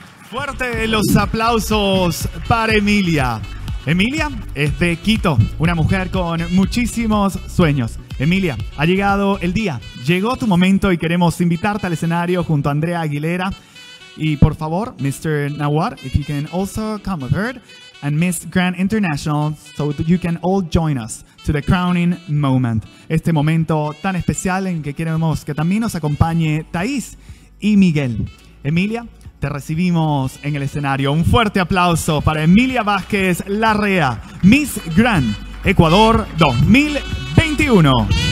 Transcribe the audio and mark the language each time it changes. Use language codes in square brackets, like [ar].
[es] Fuerte los aplausos para Emilia. Emilia es de Quito, una mujer con muchísimos sueños. Emilia, ha llegado el día, llegó tu momento y queremos invitarte al escenario junto a Andrea Aguilera. Y por favor, Mr. [en] Nawar, if you can also come with her, and Miss Grand International, so that you can all join us to the crowning moment. [es] Este momento tan especial en que queremos que también nos acompañe Thaís y Miguel. Emilia, te recibimos en el escenario. Un fuerte aplauso para Emilia Vázquez Larrea, Miss Grand Ecuador 2021.